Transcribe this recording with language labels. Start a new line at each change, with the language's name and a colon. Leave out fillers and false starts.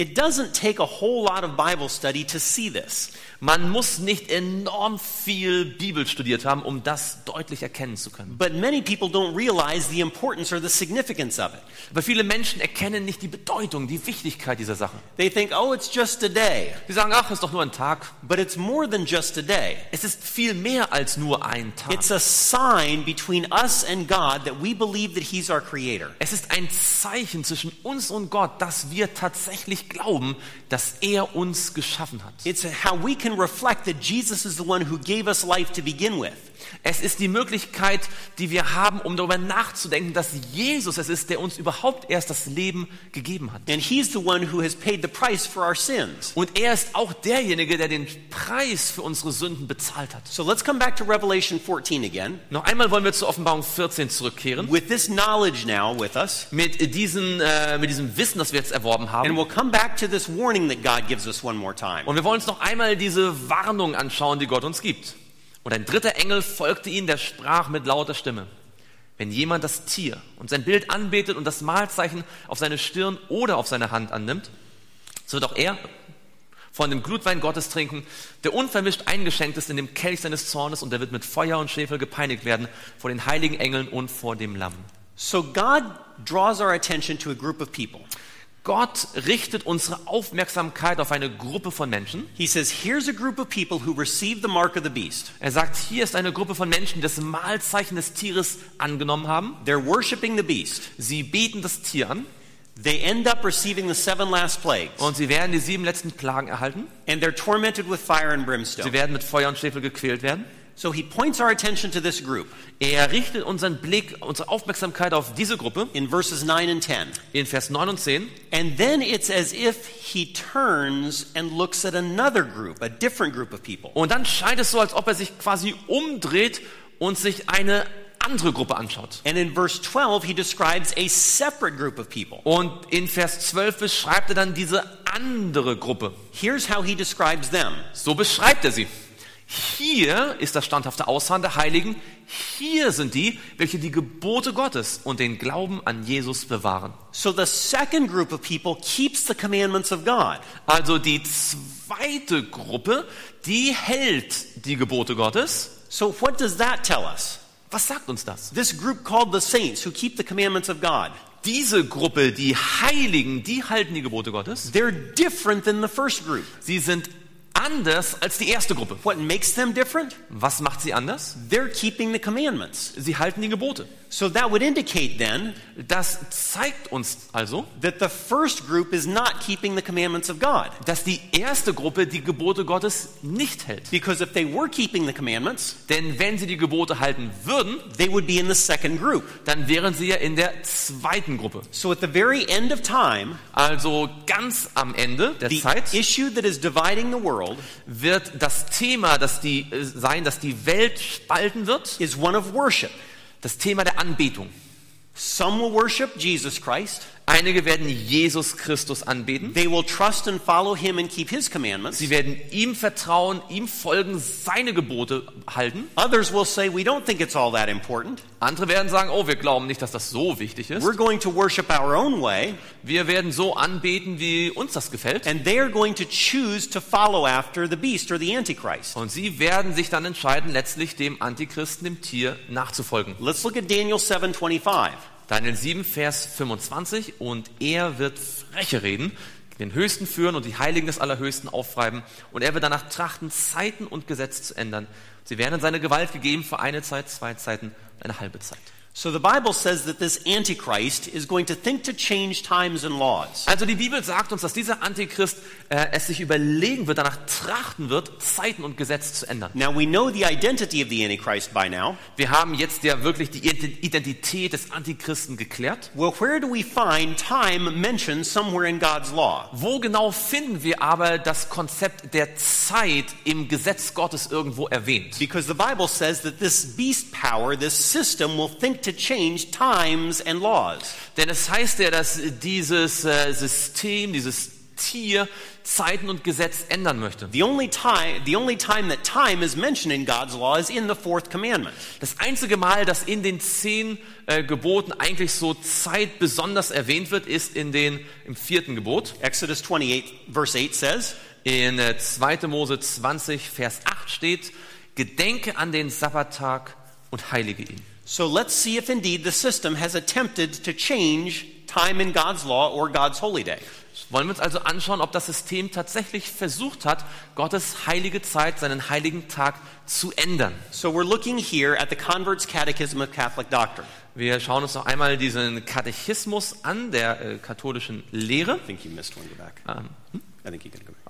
English: It doesn't take a whole lot of Bible study to see this.
German: Man muss nicht enorm viel Bibel studiert haben, um das deutlich erkennen zu können.
English: But many people don't realize the importance or the significance of it.
German: Aber viele Menschen erkennen nicht die Bedeutung, die Wichtigkeit dieser Sache.
English: They think, oh, it's just a day.
German: Sie sagen, ach, es ist doch nur ein Tag.
English: But it's more than just a day.
German: Es ist viel mehr als nur ein Tag.
English: It's a sign between us and God that we believe that he's our creator.
German: Es ist ein Zeichen zwischen uns und Gott, dass wir tatsächlich glauben, dass er uns geschaffen hat.
English: It's how we can reflect that Jesus is the one who gave us life to begin with.
German: Es ist die Möglichkeit, die wir haben, um darüber nachzudenken, dass Jesus es ist, der uns überhaupt erst das Leben gegeben hat.
English: And he's the one who has paid the price for our sins.
German: Und er ist auch derjenige, der den Preis für unsere Sünden bezahlt hat.
English: So let's come back to Revelation 14 again.
German: Noch einmal wollen wir zur Offenbarung 14 zurückkehren.
English: With this knowledge now with us.
German: Mit diesem Wissen, das wir jetzt erworben haben.
English: And we'll come back to this warning that God gives us one more time.
German: Und wir wollen uns noch einmal diese Warnung anschauen, die Gott uns gibt. Und ein dritter Engel folgte ihnen, der sprach mit lauter Stimme: Wenn jemand das Tier und sein Bild anbetet und das Malzeichen auf seine Stirn oder auf seine Hand annimmt, so wird auch er von dem Glutwein Gottes trinken, der unvermischt eingeschenkt ist in dem Kelch seines Zornes, und er wird mit Feuer und Schwefel gepeinigt werden vor den heiligen Engeln und vor dem Lamm.
English: So God draws our attention to a group of people.
German: Gott richtet unsere Aufmerksamkeit auf eine Gruppe von Menschen.
English: He says, here's a group of people who received the mark of the beast.
German: Er sagt, hier ist eine Gruppe von Menschen, die das Malzeichen des Tieres angenommen haben.
English: They're worshiping the beast.
German: Sie beten das Tier an.
English: They end up receiving the seven last plagues.
German: Und sie werden die sieben letzten Plagen erhalten.
English: And they're tormented with fire and brimstone.
German: Sie werden mit Feuer und Schwefel gequält werden.
English: So he points our attention to this group.
German: Er richtet unseren Blick, unsere Aufmerksamkeit auf diese Gruppe.
English: In verses 9 and 10.
German: In Vers 9 und 10.
English: And then it's as if he turns and looks at another group, a different group of people.
German: Und dann scheint es so, als ob er sich quasi umdreht und sich eine andere Gruppe anschaut.
English: And in verse 12 he describes a separate group of people.
German: Und in Vers 12 beschreibt er dann diese andere Gruppe.
English: Here's how he describes them.
German: So beschreibt er sie. Hier ist das standhafte Ausharren der Heiligen. Hier sind die, welche die Gebote Gottes und den Glauben an Jesus bewahren.
English: So the second group of people keeps the commandments of God.
German: Also die zweite Gruppe, die hält die Gebote Gottes.
English: So what does that tell us?
German: Was sagt uns das?
English: This group called the saints who keep the commandments of God.
German: Diese Gruppe, die Heiligen, die halten die Gebote Gottes.
English: They're different than the first group.
German: Sie sind anders als die erste Gruppe.
English: What makes them different?
German: Was macht sie anders?
English: They're keeping the commandments.
German: Sie halten die Gebote.
English: So that would indicate then,
German: das zeigt uns also,
English: that the first group is not keeping the commandments of God.
German: Dass die erste Gruppe die Gebote Gottes nicht hält.
English: Because if they were keeping the commandments,
German: denn wenn sie die Gebote halten würden,
English: they would be in the second group.
German: Dann wären sie ja in der zweiten Gruppe.
English: So at the very end of time,
German: also ganz am Ende der
English: the
German: Zeit,
English: issue that is dividing the world,
German: wird das Thema, das die sein, dass die Welt spalten wird,
English: is one of worship.
German: Das Thema der Anbetung.
English: Some will worship Jesus Christ.
German: Einige werden Jesus Christus anbeten.
English: They will trust and follow him and keep his commandments.
German: Sie werden ihm vertrauen, ihm folgen, seine Gebote halten.
English: Others will say we don't think it's all that important.
German: Andere werden sagen, oh, wir glauben nicht, dass das so wichtig ist.
English: We're going to worship our own way.
German: Wir werden so anbeten, wie uns das gefällt.
English: And they're going to choose to follow after the beast or the antichrist.
German: Und sie werden sich dann entscheiden, letztlich dem Antichristen, dem Tier nachzufolgen.
English: Let's look at Daniel 7:25.
German: Daniel 7, Vers 25, und er wird freche reden, den Höchsten führen und die Heiligen des Allerhöchsten aufreiben, und er wird danach trachten, Zeiten und Gesetze zu ändern. Sie werden in seine Gewalt gegeben für eine Zeit, zwei Zeiten und eine halbe Zeit.
English: So the Bible says that this Antichrist is going to think to change times and laws.
German: Also die Bibel sagt uns, dass dieser Antichrist es sich überlegen wird, danach trachten wird, Zeiten und Gesetze zu ändern.
English: Now we know the identity of the Antichrist by now.
German: Wir haben jetzt ja wirklich die Identität des Antichristen geklärt.
English: Well, where do we find time mentioned somewhere in God's law?
German: Wo genau finden wir aber das Konzept der Zeit im Gesetz Gottes irgendwo erwähnt?
English: Because the Bible says that this beast power, this system will think to change times and laws.
German: Denn es heißt ja, dass dieses System, dieses Tier Zeiten und Gesetz ändern möchte.
English: The only time that time is mentioned in God's law is in the fourth commandment.
German: Das einzige Mal, dass in den 10 Geboten eigentlich so Zeit besonders erwähnt wird, ist in den im vierten Gebot.
English: Exodus 28 verse 8 says,
German: in 2. Mose 20 Vers 8 steht, gedenke an den Sabbattag und heilige ihn.
English: So let's see if indeed the system has attempted to change time in God's law or God's holy day.
German: Wollen wir uns also anschauen, ob das System tatsächlich versucht hat, Gottes heilige Zeit, seinen heiligen Tag zu ändern.
English: So we're looking here at the Convert's Catechism of Catholic Doctrine.
German: Wir schauen uns noch einmal diesen Katechismus an, der katholischen Lehre.
English: I think you missed one, go back. I think you're going to go back.